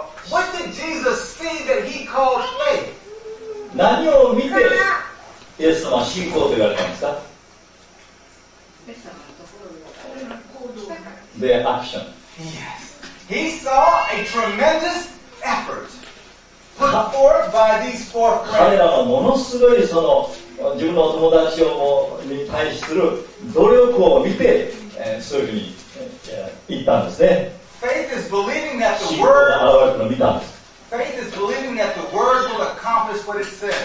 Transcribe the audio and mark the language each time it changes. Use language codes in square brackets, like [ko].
[en] What did Jesus see that he called faith? [ja] 何を見てイエス様は信仰と言われたんですか？ [en] The action. Yes. He saw a tremendous effort put forth by these four friends. [ja] 彼らはものすごい自分の友達に対する努力を見て、そういうふうに言ったんですね。 [en] Faith is believing that the word. Faith is believing that the word will accomplish what it says.